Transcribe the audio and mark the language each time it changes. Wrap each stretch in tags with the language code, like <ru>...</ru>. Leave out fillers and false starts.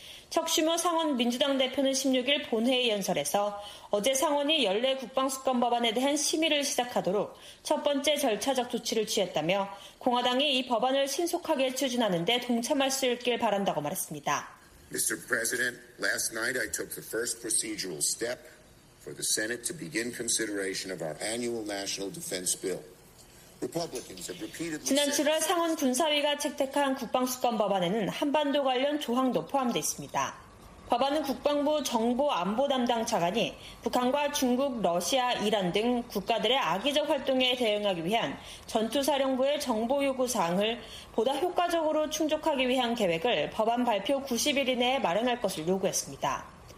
<ko>척슈머 상원 민주당 대표는 16일 본회의 연설에서 어제 상원이 연례 국방수권법안에 대한 심의를 시작하도록 첫 번째 절차적 조치를 취했다며 공화당이 이 법안을 신속하게 추진하는 데 동참할 수 있길 바란다고 말했습니다.</ko> <en>Mr. President, last night I took the first procedural step for the Senate to begin consideration of our annual national defense bill. Republicans have repeatedly</en> <ko>지난 7월 상원 군사위가 채택한 국방수권 법안에는 한반도 관련 조항도 포함돼 있습니다. 법안은 국방부 정보 안보 담당 차관이 북한과 중국, 러시아, 이란 등 국가들의 악의적 활동에 대응하기 위한 전투사령부의 정보 요구 사항을 보다 효과적으로 충족하기 위한 계획을 법안 발표 90일 이내에 마련할 것을 요구했습니다.</ko>